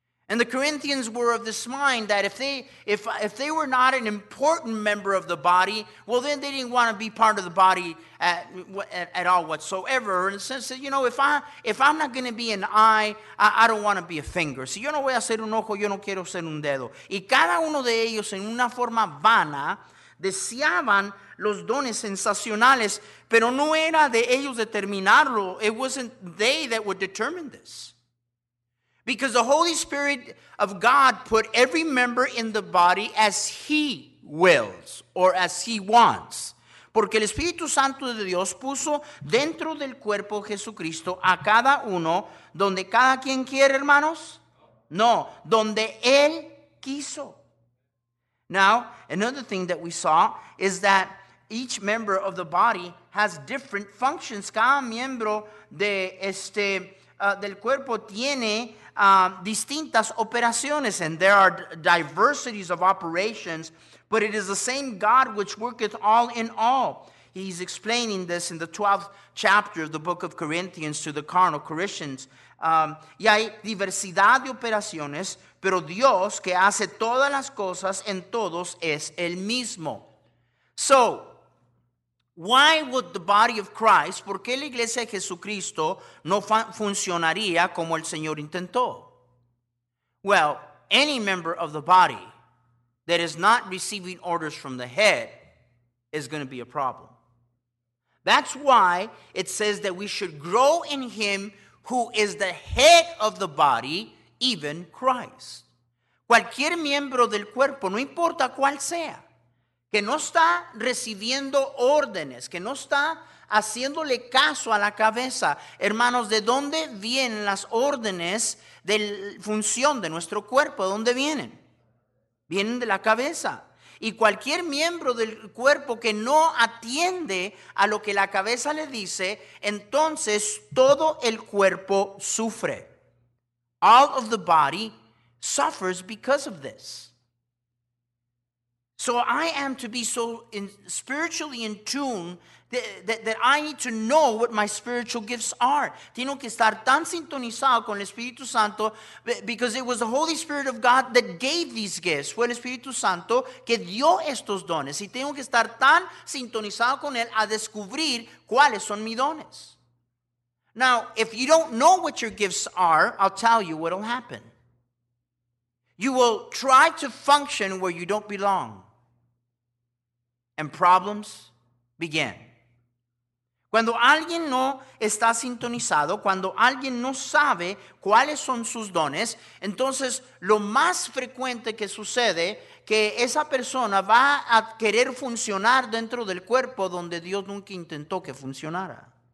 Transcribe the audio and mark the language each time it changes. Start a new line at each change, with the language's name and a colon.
English: And the Corinthians were of this mind that if they were not an important member of the body, well, then they didn't want to be part of the body at all whatsoever. In the sense that, you know, if I'm not going to be an eye, I don't want to be a finger.
Spanish: Si yo no voy a ser un ojo, yo no quiero ser un dedo. Y cada uno de ellos, en una forma vana, deseaban los dones sensacionales, pero no era de ellos determinarlo.
English: It wasn't they that would determine this. Because the Holy Spirit of God put every member in the body as he wills or as he wants.
Spanish: Porque el Espíritu Santo de Dios puso dentro del cuerpo Jesucristo a cada uno donde cada quien quiere, hermanos. No, donde él quiso.
English: Now, another thing that we saw is that each member of the body has different functions.
Spanish: Cada miembro del cuerpo tiene distintas operaciones,
English: and there are diversities of operations, but it is the same God which worketh all in all. He's explaining this in the 12th chapter of the book of Corinthians to the carnal Christians.
Spanish: Y hay diversidad de operaciones, pero Dios que hace todas las cosas en todos es el mismo.
English: So, why would the body of Christ,
Spanish: ¿por qué la iglesia de Jesucristo no funcionaría como el Señor intentó?
English: Well, any member of the body that is not receiving orders from the head is going to be a problem. That's why it says that we should grow in him who is the head of the body, even Christ.
Spanish: Cualquier miembro del cuerpo, no importa cuál sea, que no está recibiendo órdenes, que no está haciéndole caso a la cabeza. Hermanos, ¿de dónde vienen las órdenes de función de nuestro cuerpo? ¿De dónde vienen? Vienen de la cabeza. Y cualquier miembro del cuerpo que no atiende a lo que la cabeza le dice, entonces todo el cuerpo sufre.
English: All of the body suffers because of this. So I am to be so spiritually in tune that I need to know what my spiritual gifts are.
Spanish: Tengo que estar tan sintonizado con el Espíritu Santo,
English: because it was the Holy Spirit of God that gave these gifts.
Spanish: Fue el Espíritu Santo que dio estos dones. Y tengo que estar tan sintonizado con él a descubrir cuáles son mis dones.
English: Now, if you don't know what your gifts are, I'll tell you what will happen. You will try to function where you don't belong, and problems begin.
Spanish: Cuando alguien no está sintonizado, cuando alguien no sabe cuáles son sus dones, entonces lo más frecuente que sucede, que esa persona va a querer funcionar dentro del cuerpo donde Dios nunca intentó que funcionara.